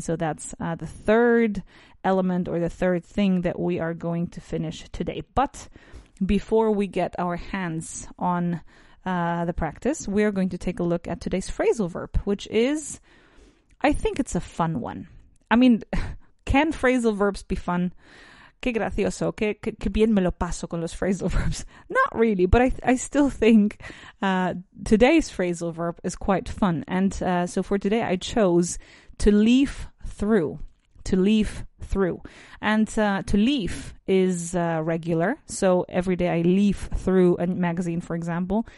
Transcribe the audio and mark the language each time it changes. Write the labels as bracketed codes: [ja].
[en] So that's the third element or the third thing that we are going to finish today. But before we get our hands on the practice, we are going to take a look at today's phrasal verb, which is, I think it's a fun one. I mean, can phrasal verbs be fun? [es] Qué gracioso, qué bien me lo paso con los phrasal verbs. [en] Not really, but I still think today's phrasal verb is quite fun. And so for today, I chose to leaf through. To leaf through. And to leaf is regular. So every day I leaf through a magazine, for example.